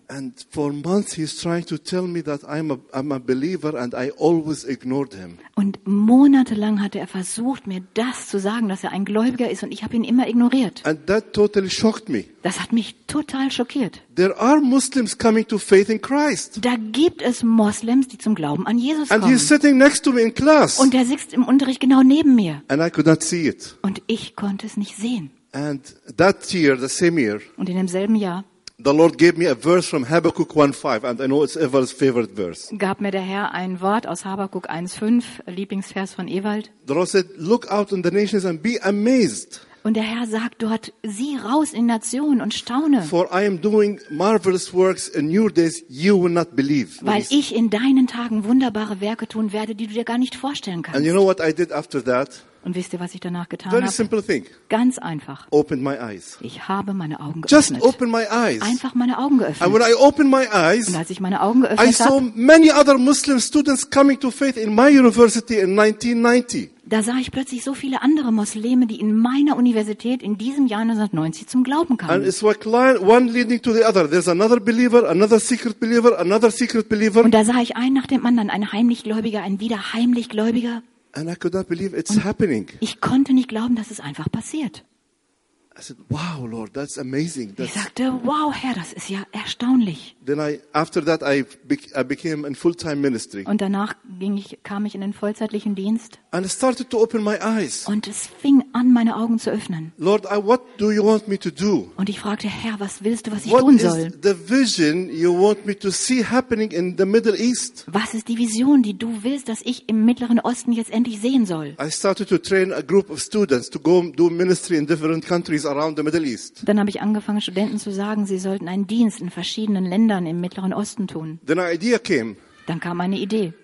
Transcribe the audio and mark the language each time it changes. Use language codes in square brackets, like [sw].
[en] And for months he's trying to tell me that I'm a believer and I always ignored him. [de] Und monatelang hatte er versucht, mir das zu sagen, dass er ein Gläubiger ist, und ich habe ihn immer ignoriert. [en] And that totally shocked me. [de] Das hat mich total schockiert. [en] There are Muslims coming to faith in Christ. [de] Da gibt es Moslems, die zum Glauben an Jesus [en] and [de] kommen. [en] He's sitting next to me in class. [de] Und er sitzt im Unterricht genau neben mir. [en] And I could not see it. [de] Und ich konnte es nicht sehen. [en] And that year, the same year, [de] und in demselben Jahr, [en] the Lord gave me a verse from Habakkuk 1:5, and I know it's Ewald's favorite verse. [de] Gab mir der Herr ein Wort aus Habakkuk 1:5, Lieblingsvers von Ewald. [en] The Lord said, "Look out on the nations and be amazed." [de] Und der Herr sagt dort, sieh raus in Nationen und staune. [en] For I am doing marvelous works in your days, you will not believe. [de] Weil ich in deinen Tagen wunderbare Werke tun werde, die du dir gar nicht vorstellen kannst. [en] And you know what I did after that? [de] Und wisst ihr, was ich danach getan [en] Very [de] habe? [en] Simple thing. [de] Ganz einfach. [en] Opened my eyes. [de] Ich habe meine Augen geöffnet. [en] Just open my eyes. [de] Einfach meine Augen geöffnet. [en] And when I opened my eyes, [de] und als ich meine Augen geöffnet habe, [en] I saw many other Muslim students coming to faith in my university in 1990. [de] Da sah ich plötzlich so viele andere Muslime, die in meiner Universität in diesem Jahr 1990 zum Glauben kamen. [en] And it's like one leading to the other. There's another believer, another secret believer, another secret believer. [de] Und da sah ich einen nach dem anderen, einen Heimlichgläubiger, einen wieder Heimlichgläubiger. [en] And I could not believe it's happening. [de] Ich konnte nicht glauben, dass es einfach passiert. [en] I said, wow, Lord, that's amazing. [de] Ich sagte, wow, Herr, das ist ja erstaunlich. [en] Then after that I became in full-time ministry. [de] Und danach kam ich in den vollzeitlichen Dienst. [en] And I started to open my eyes. [de] Und es fing an, meine Augen zu öffnen. [en] Lord, what do you want me to do? [de] Und ich fragte, Herr, was willst du, was ich [en] what [de] tun soll? [en] What is the vision you want me to see happening in the Middle East? [de] Was ist die Vision, die du willst, dass ich im Mittleren Osten jetzt endlich sehen soll? [en] I started to train a group of students to go do ministry in different countries. Around the Middle East. [de] Dann habe ich angefangen, Studenten zu sagen, sie sollten einen Dienst in verschiedenen Ländern im Mittleren Osten tun. [en] Then an idea came. [de] Dann kam eine Idee.